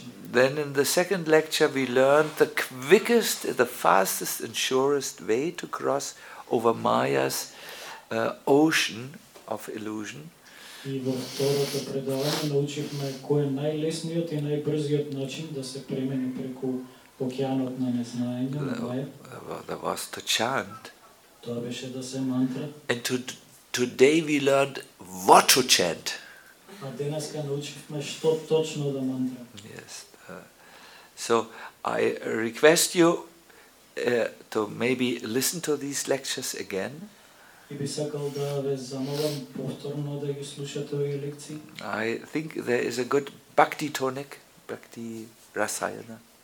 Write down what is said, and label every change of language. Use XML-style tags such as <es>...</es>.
<en>Then in the second lecture we learned the quickest, the fastest and surest way to cross over Maya's ocean of illusion.</en> <mk>И во второто предавање научивме кој е најлесниот и најбрзиот начин да се премени преку океанот на незнаење.</mk> <en>That was to chant.</en> <mk>Тоа беше да се мантра.</mk> <en>And today we learned what to chant.</en> <mk>А денеска научивме што точно да мантра.</mk> <en>Yes. So I request you to maybe listen to these lectures again. I think there is a good bhakti tonic, bhakti rasayana.</en>